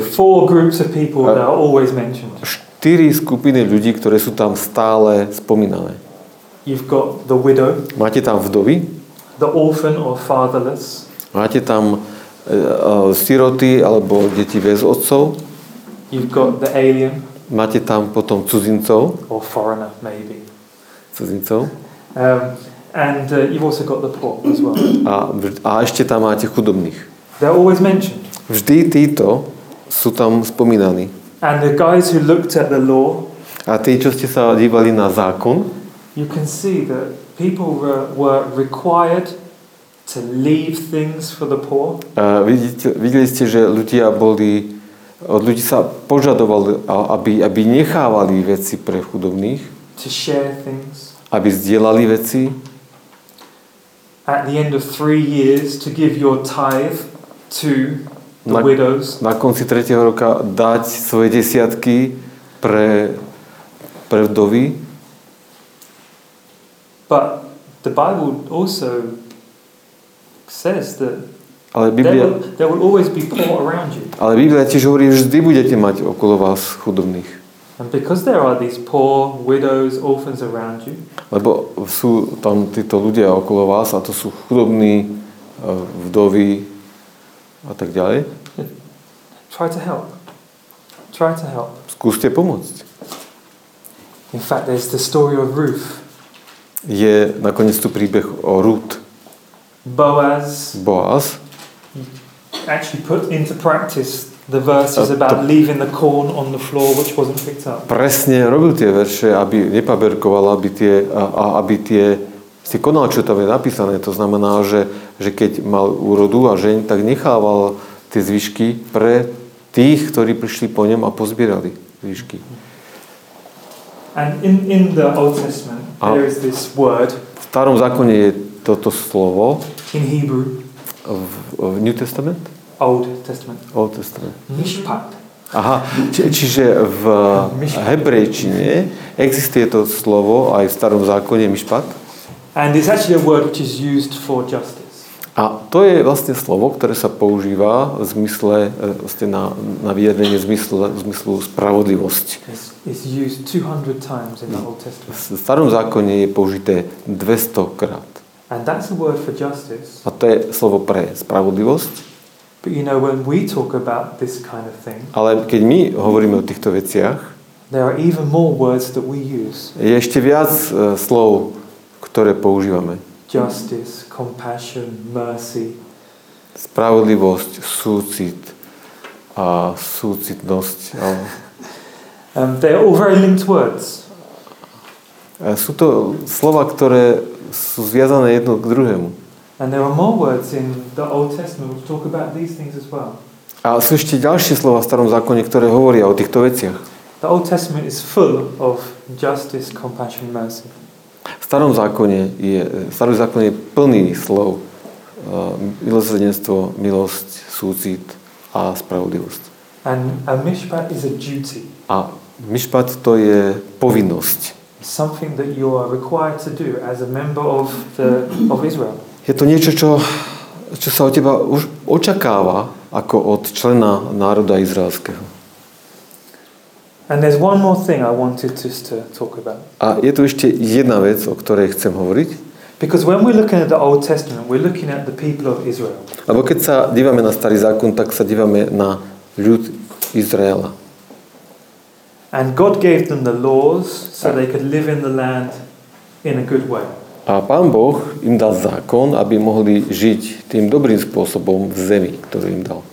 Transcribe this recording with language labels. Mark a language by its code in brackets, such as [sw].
[en] four groups of people that are always mentioned. [sk] Štyri skupiny ľudí, ktoré sú tam stále spomínané. [en] You've got the widow. [sk] Máte tam vdovy. [en] The orphan or fatherless. [sk] Máte tam siroty alebo deti bez otcov. [en] You've got the alien. [sk] Máte tam potom cudzincov. [en] Or foreigner, maybe. [sk] Cudzincov. [en] You've also got the poor as well. [sk] A ešte tam máte chudobných. [en] They're always mentioned. [sk] Vždy títo sú tam spomínaní. [en] And the guys who looked at the law. [sk] A tí, čo ste sa dívali na zákon. [en] You can see that people were required to leave things for the poor. [sk] Videli ste, že ľudia boli od ľudí sa požadovali, aby nechávali veci pre chudobných. [en] To share things. [sk] Aby zdieľali veci. [en] At the end of 3 years to give your tithe to the widows. [sk] Na konci 3. roka dať svoje desiatky pre vdovy. [en] But the Bible also says that There will always be poor around you. [sk] Ale Biblia tiež hovorí, že vždy budete mať okolo vás chudobných. [en] And because there are these poor widows, orphans around you. [sk] Lebo sú tam títo ľudia okolo vás a to sú chudobní, vdovy a tak ďalej. [en] Try to help. Try to help. [sk] Skúste pomôcť. [en] In fact, there's the story of Ruth. [sk] Je nakoniec tu príbeh o Ruth. [en] Boaz. Actually put into practice the verses about leaving the corn on the floor which wasn't picked up. [sk] Presne robil tie verše, aby nepaberkoval, aby tie si konal, čo tam je napísané. To znamená, že že keď mal úrodu a žeň, tak nechával tie zvyšky pre tých, ktorí prišli po ňom a pozbierali zvyšky. [en] And in the Old Testament there is this word. [sk] V starom zákone je toto slovo. [en] In Hebrew. V New Testament? Old Testament. Old Testament. Mishpat. [sk] Aha, čiže v hebrejčine existuje to slovo aj v starom zákone mishpat. [en] And it's actually a word which is used for justice. [sk] A to je vlastne slovo, ktoré sa používa v zmysle vlastne na vyjadrenie zmyslu spravodlivosť. [en] It's used 200 times in the Old Testament. [sk] V starom zákone je použité 200 krát. [en] And that's a word for justice. [sk] A to je slovo pre spravodlivosť. [en] But you know, when we talk about this kind of thing. [sk] Ale keď my hovoríme o týchto veciach, [en] there are even more words that we use. [sk] Je ešte viac slov, ktoré používame. [en] Justice, compassion, mercy. [sk] Spravodlivosť, súcit a súcitnosť. [en] They're all very linked words. [sk] Sú to slova, ktoré sú zviazané jedno k druhému. [en] And there are more words in the Old Testament which talk about these things as well. [sk] A sú ešte ďalšie slova v starom zákone, ktoré hovoria o týchto veciach. [en] The Old Testament is full of justice, compassion, mercy. [sk] V starom zákone je plný slov milosrdenstvo, milosť, súcit a spravodlivosť. [en] A mishpat is a duty. [sk] A mishpat to je povinnosť. [en] Something that you are required to do as a member of Israel. [sk] Je to niečo, čo sa od teba už očakáva ako od člena národa izraelského. [en] And there's one more thing I wanted just to talk about. [sk] A je tu ešte jedna vec, o ktorej chcem hovoriť. [en] Because when we're looking at the Old Testament, we're looking at the people of Israel. [sk] Alebo keď sa dívame na starý zákon, tak sa dívame na ľud Izraela. [en] And God gave them the laws so they could live in the land in a good way. [sk] A Pán Boh im dal zákon, aby mohli žiť tým dobrým spôsobom v zemi, ktorú im dal.